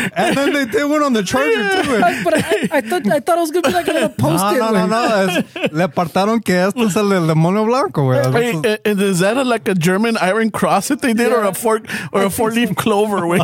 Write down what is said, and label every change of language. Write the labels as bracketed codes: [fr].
[en] And then they did one on the charger, yeah, too. But I thought it was going to be like a little post-it. No. [es] Le apartaron que este es el demonio blanco, güey. [en] Wait, is that like a German iron cross that they did, yeah, or a fork or a four leaf clover, güey?